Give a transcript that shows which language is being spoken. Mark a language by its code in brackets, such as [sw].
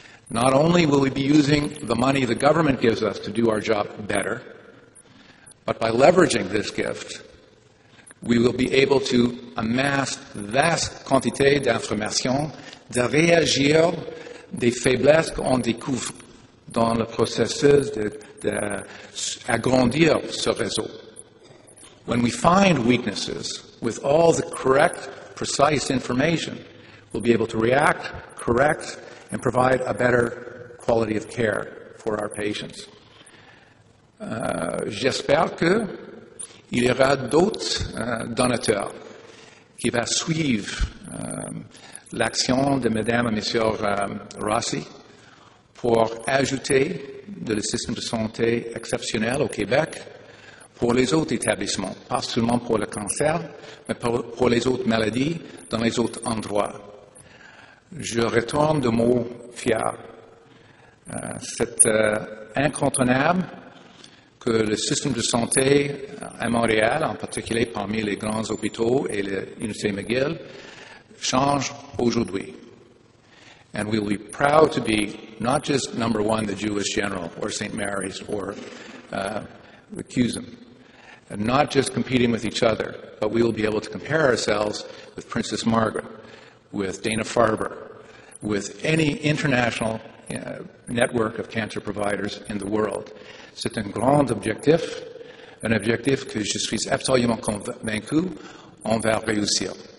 [en] Not only will we be using the money the government gives us to do our job better, but by leveraging this gift, we will be able to amass vast [fr] quantités d'informations, de réagir des faiblesses qu'on découvre dans le processus de agrandir ce réseau. [en] When we find weaknesses with all the correct, precise information, we'll be able to react, correct, and provide a better quality of care for our patients. [fr] J'espère qu'il y aura d'autres donateurs qui vont suivre l'action de Madame et Monsieur Rossi pour ajouter de le système de santé exceptionnel au Québec pour les autres établissements, pas seulement pour le cancer, mais pour les autres maladies dans les autres endroits. Je retourne de mot fier. C'est incontournable que le système de santé à Montréal, en particulier parmi les grands hôpitaux et l'Université McGill, change aujourd'hui. [en] And we will be proud to be not just number one, the Jewish General, or St. Mary's, or the CUSM, not just competing with each other, but we will be able to compare ourselves with Princess Margaret, with Dana-Farber, with any international network of cancer providers in the world. [fr] C'est un grand objectif, un objectif que je suis absolument convaincu, on va réussir.